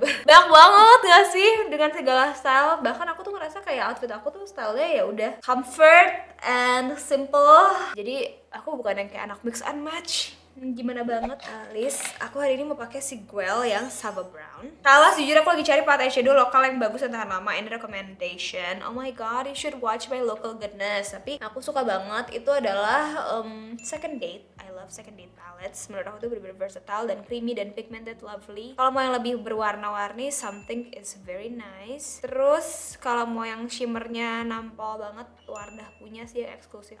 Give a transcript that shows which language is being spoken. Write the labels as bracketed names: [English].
[Indonesian] Banyak banget gak sih dengan segala style, bahkan aku tuh ngerasa kayak outfit aku tuh stylenya ya udah [English] comfort and simple. [Indonesian] Jadi aku bukan yang kayak anak [English] mix and match. [Indonesian] Gimana banget, Alice? Aku hari ini mau pakai si Guel yang Saba Brown. Kalau sejujurnya aku lagi cari palette eyeshadow lokal yang bagus dan tahan lama. Ini recommendation. [English] Oh my god, you should watch my local goodness. [Indonesian] Tapi aku suka banget, itu adalah Second Date. [English] I love Second Date palettes. [Indonesian] Menurut aku tuh bener-bener [English] versatile dan creamy dan pigmented, lovely. [Indonesian] Kalau mau yang lebih berwarna-warni, [English] something is very nice. [Indonesian] Terus, kalau mau yang shimmernya nampol banget, Wardah punya sih yang eksklusif.